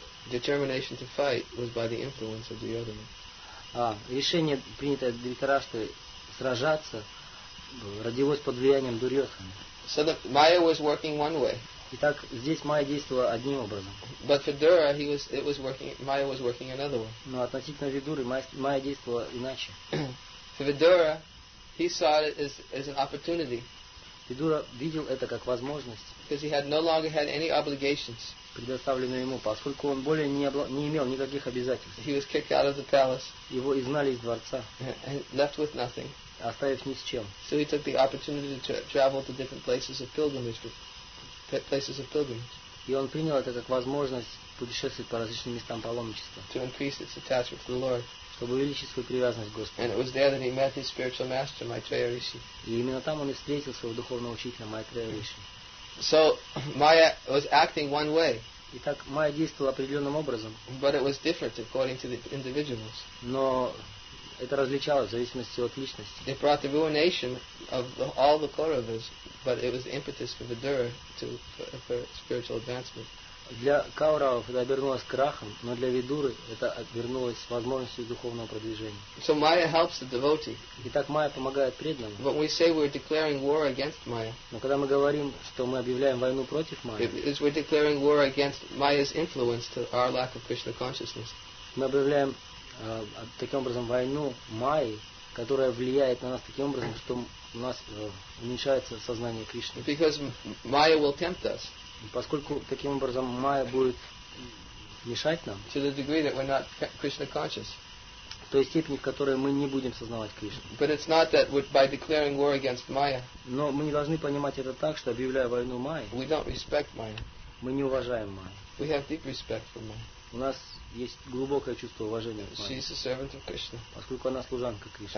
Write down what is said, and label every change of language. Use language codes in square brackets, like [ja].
[en] determination to fight was by the influence of Duryodhana. [ru] Решение, принятое Дхритарашты сражаться, родилось под влиянием Дурьотхана. [en] So that Maya was working one way. [ru] Итак, здесь Майя действовала одним образом. [en] But for Dura, Maya was working another way. [ru] Но относительно Видуры Майя действовала иначе. [en] For Vidura, he saw it as an opportunity. [ru] Видура видел это как возможность. [en] Because he had no longer had any obligations. [ru] Предоставленную ему, поскольку он более не имел никаких обязательств. [en] He was kicked out of the palace. [ru] Его изгнали из дворца. [en] And left with nothing. [ru] Оставив ни с чем. [en] So he took the opportunity to travel to different places of pilgrimage. Places of pilgrimage. [ru] И он принял это как возможность путешествовать по различным местам паломничества. [en] To increase its attachment to the Lord. [ru] Чтобы увеличить свою привязанность к Господу. [en] And it was there that he met his spiritual master, Maitreya Rishi. [ru] И именно там он и встретил своего духовного учителя Maitreya Rishi. [en] So Maya was acting one way. [ru] Итак, Майя действовала определенным образом. [en] But it was different according to the individuals. [ru] Но это различалось в зависимости от личности. [en] It brought the ruination of all the Kauravas, but it was the impetus for Vidura for spiritual advancement. [ru] Для Кауравов это обернулось крахом, но для Видуры это обернулось возможностью духовного продвижения. [en] So Maya helps the devotee. [ru] Итак, Майя помогает преданному. [en] But we say we're declaring war against Maya. [ru] Но когда мы говорим, что мы объявляем войну против Майи, [en] it's we're declaring war against Maya's influence to our lack of Krishna consciousness. [ru] Мы объявляем таким образом войну Майи которая влияет на нас таким образом, что у нас уменьшается сознание Кришны. [en] Because Maya will tempt us. [ru] Поскольку таким образом Майя будет мешать нам. [en] To the degree that we're not Krishna conscious. [ru] В той степени, в которой мы не будем сознавать Кришну. [en] But it's not that by declaring war against Maya. [ru] Но мы не должны понимать это так, что объявляя войну Майе. [en] We don't respect Maya. [ru] Мы не уважаем Майю. [en] We have deep respect for Maya. [ru] У нас есть глубокое чувство уважения к Майе. [en] She is a servant of Krishna. [ru] Поскольку она служанка Кришны.